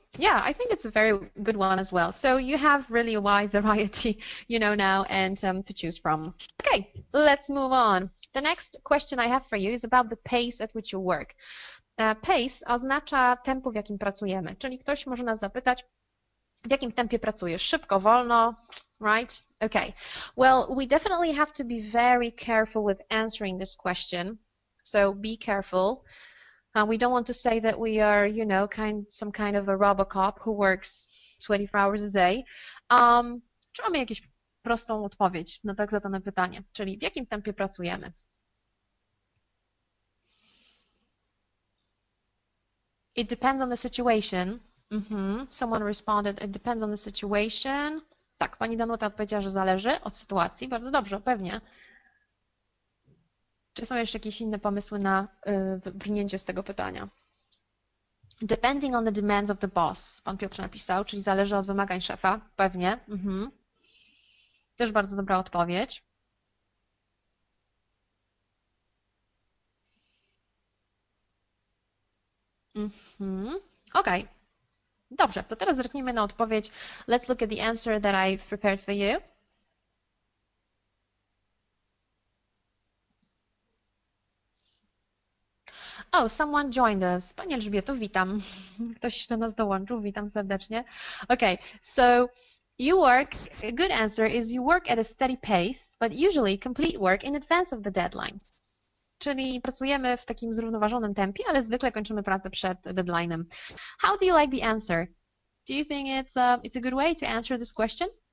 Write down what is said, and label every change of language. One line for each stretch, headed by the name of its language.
English: Yeah, I think it's a very good one as well. So you have really a wide variety, you know, now and to choose from. Okay, let's move on. The next question I have for you is about the pace at which you work.
Polish: Pace oznacza tempo, w jakim pracujemy. Czyli ktoś może nas zapytać, w jakim tempie pracujesz? Szybko, wolno,
English: right? Okay, well, we definitely have to be very careful with answering this question. So be careful. We don't want to say that we are, you know, some kind of a robocop who works 24 hours a day.
Polish: Czy mamy jakąś prostą odpowiedź na tak zadane pytanie? Czyli w jakim tempie pracujemy?
English: It depends on the situation. Mm-hmm. Someone responded, it depends on the situation.
Polish: Tak, pani Danuta odpowiedziała, że zależy od sytuacji. Bardzo dobrze, pewnie. Czy są jeszcze jakieś inne pomysły na wybrnięcie z tego pytania?
English: Depending on the demands of the boss,
Polish: pan Piotr napisał, czyli zależy od wymagań szefa, pewnie. Mhm. Też bardzo dobra odpowiedź. Ok. Dobrze, to teraz zerknijmy na odpowiedź.
English: Let's look at the answer that I've prepared for you. Oh, someone joined us.
Polish: Pani Elżbieto, witam. Ktoś do nas dołączył, witam serdecznie.
English: Ok, so you work, a good answer is you work at a steady pace, but usually complete work in advance of the deadlines.
Polish: Czyli pracujemy w takim zrównoważonym tempie, ale zwykle kończymy pracę przed deadline'em.
English: How do you like the answer? Do you think it's a good way to answer this question?